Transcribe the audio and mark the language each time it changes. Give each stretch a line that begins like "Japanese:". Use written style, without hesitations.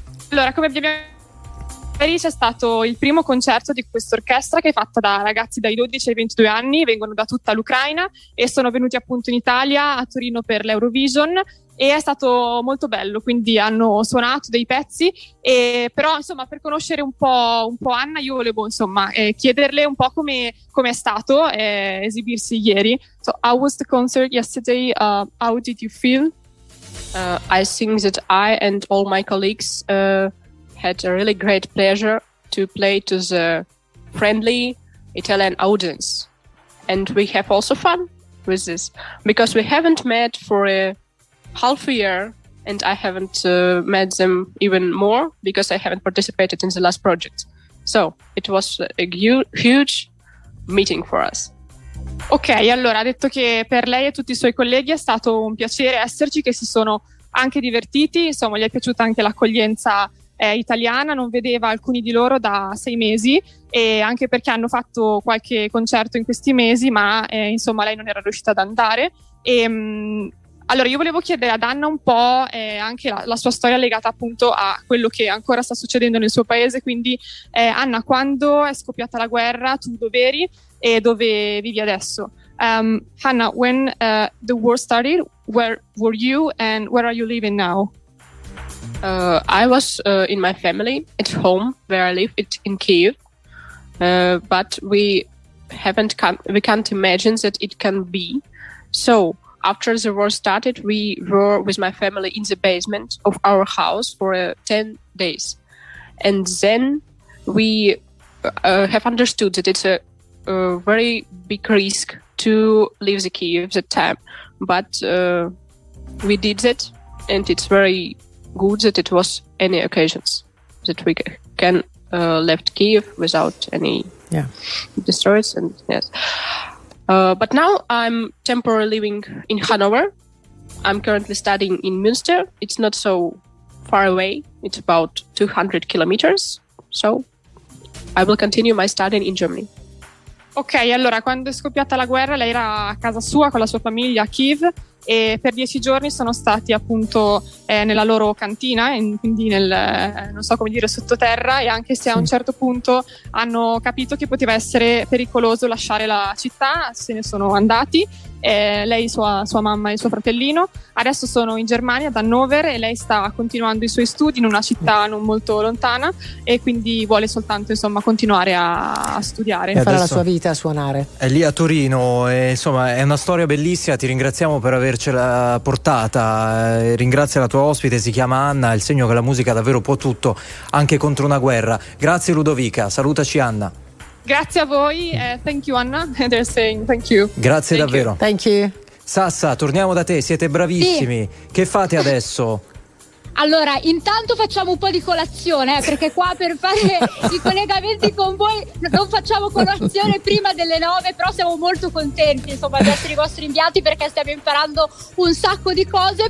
Italian: Allora, come vi abbiamo, ieri c'è stato il primo concerto di questa orchestra, che è fatta da ragazzi dai 12 ai 22 anni, vengono da tutta l'Ucraina e sono venuti appunto in Italia, a Torino, per l'Eurovision, e è stato molto bello, quindi hanno suonato dei pezzi. E però insomma, per conoscere un po' Anna, io volevo insomma chiederle un po' come è stato esibirsi ieri.
English: So, how was the concert yesterday? How did you feel? I think that I and all my colleagues had a really great pleasure to play to the friendly Italian audience, and we have also fun with this because we haven't met for a half a year, and I haven't met them even more because I haven't participated in the last project, so it was a huge meeting for us.
Italian: Ok, allora ha detto che per lei e tutti i suoi colleghi è stato un piacere esserci, che si sono anche divertiti, insomma gli è piaciuta anche l'accoglienza italiana, non vedeva alcuni di loro da 6 mesi, e anche perché hanno fatto qualche concerto in questi mesi, ma insomma lei non era riuscita ad andare. E allora io volevo chiedere ad Anna un po' anche la sua storia legata appunto a quello che ancora sta succedendo nel suo paese, quindi Anna, quando è scoppiata la guerra, tu dove eri e dove vivi adesso?
English: Anna, when the war started, where were you and where are you living now? I was in my family at home where I live, it in Kyiv, but we can't imagine that it can be. So after the war started, we were with my family in the basement of our house for 10 days. And then we have understood that it's a very big risk to leave the Kyiv at that time. But we did it, and it's very good that it was any occasions that we can left Kyiv without any destroys, and but now I'm temporarily living in Hanover. I'm currently studying in Münster. It's not so far away, it's about 200 kilometers, so I will continue my studying in Germany.
Italian: Ok, allora quando è scoppiata la guerra lei era a casa sua con la sua famiglia a Kyiv, e per 10 giorni sono stati appunto nella loro cantina, quindi nel non so come dire sottoterra, e anche se a un certo punto hanno capito che poteva essere pericoloso lasciare la città, se ne sono andati, lei, sua mamma e suo fratellino. Adesso sono in Germania, ad Hannover, e lei sta continuando i suoi studi in una città non molto lontana, e quindi vuole soltanto insomma continuare a studiare e fare la sua vita, a suonare. È lì a Torino, e insomma è una storia bellissima, ti ringraziamo per avercela portata, ringrazio la tua ospite, si chiama Anna, è il segno che la musica davvero può tutto, anche contro una guerra. Grazie Ludovica, salutaci Anna. Grazie a voi,
English: thank you Anna, they're saying thank you.
Italian: Grazie
English: thank
Italian: davvero.
English: You. Thank you.
Italian: Sassa, torniamo da te, siete bravissimi, sì. Che fate adesso? Allora, intanto facciamo un po' di colazione, perché qua per fare i collegamenti con voi non facciamo colazione prima delle 9, però siamo molto contenti insomma di essere i vostri inviati, perché stiamo imparando un sacco di cose.